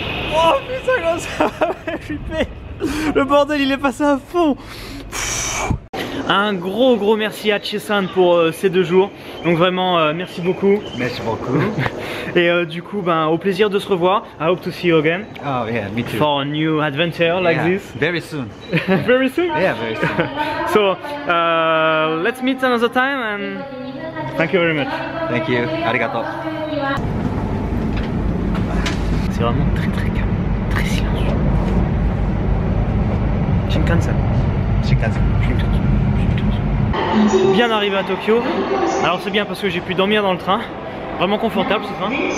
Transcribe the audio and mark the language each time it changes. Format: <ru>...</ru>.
<fr>Wouhou! Oh putain, comment ça m'a flippé! Le bordel, il est passé à fond! Un gros merci à Chesan pour ces deux jours. Donc vraiment, merci beaucoup. Merci beaucoup. Et du coup, ben, au plaisir de se revoir.</fr> <en>I hope to see you again. Oh yeah, me too. For a new adventure like this. Very soon. Very soon? Yeah, very soon. So, let's meet another time and thank you very much. Thank you. Arigato.</en> <fr>C'est vraiment très très calme, très silencieux.</fr> <ja>Shinkansen. Shinkansen.</ja> <fr>Shinkansen. bien arrivé à Tokyo. Alors c'est bien parce que j'ai pu dormir dans le train. Vraiment confortable ce train.</fr>